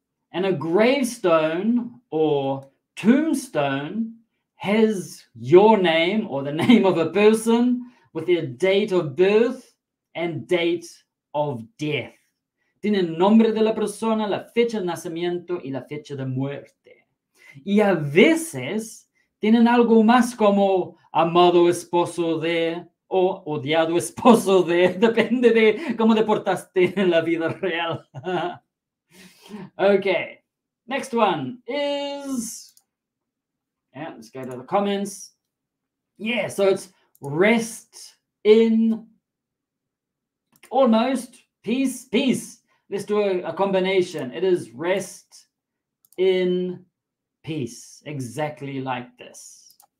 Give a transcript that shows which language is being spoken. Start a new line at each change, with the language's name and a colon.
English: And a gravestone or tombstone has your name or the name of a person with their date of birth and date of death.
Spanish: Tiene el nombre de la persona, la fecha de nacimiento y la fecha de muerte. Y a veces tienen algo más como amado esposo de o odiado esposo de, depende de cómo te portaste en la vida real.
English: Okay, next one is, yeah, let's go to the comments. Yeah, so it's rest in almost peace, peace. Let's do a combination. It is rest in peace, exactly like this.